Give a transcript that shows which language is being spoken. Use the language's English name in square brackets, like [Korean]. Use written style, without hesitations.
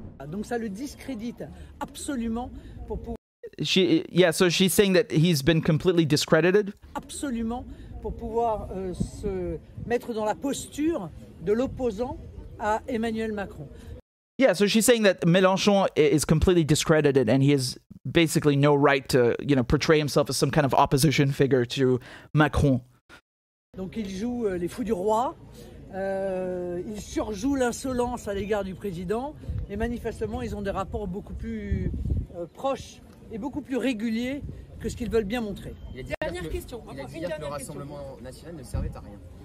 [French] Donc ça le discrédite absolument pour pouvoir... [English] So she's saying that he's been completely discredited. [French] Absolument pour pouvoir se mettre dans la posture de l'opposant à Emmanuel Macron. [English] Yeah, so she's saying that Mélenchon is completely discredited and he has basically no right to, you know, portray himself as some kind of opposition figure to Macron. [French] Donc il joue les fous du roi, il surjoue l'insolence à l'égard du président, et manifestement ils ont des rapports beaucoup plus proches et beaucoup plus réguliers que ce qu'ils veulent bien montrer. Il a dit que le Rassemblement national ne servait à rien.